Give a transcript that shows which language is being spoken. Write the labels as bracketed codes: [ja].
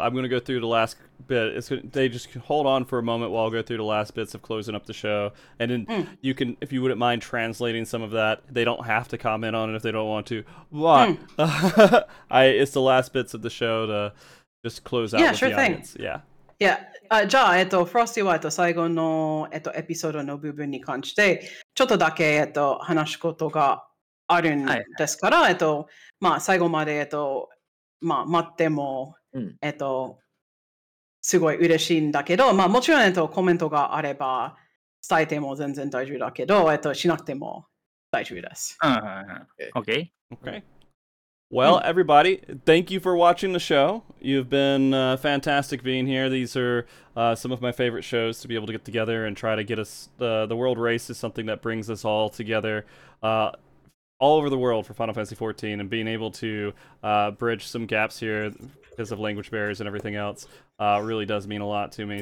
[en] I'm going to go through the last bit. They just hold on for a moment while I go through the last bits of closing up the show. And then you can, if you wouldn't mind translating some of that, they don't have to comment on it if they don't want to. Why? It's the last bits of the show to just close out yeah, with sure the thing. Audience. Yeah. Yeah. [ja] じゃあ、フロスティは、最後の、エピソードの部分に関して、ちょっとだけ、話すことがあるんですから、はい、まあ、最後まで、まあ、待っても、すごい嬉しいんだけど、まあ、もちろん、コメントがあれば、伝えても全然大丈夫だけど、しなくても大丈夫です。 [en] Okay. Okay. Well, everybody, thank you for watching the show. You've been fantastic being here. These are some of my favorite shows to be able to get together and try to get us... The World Race is something that brings us all together all over the world for Final Fantasy XIV and being able to bridge some gaps here because of language barriers and everything else really does mean a lot to me.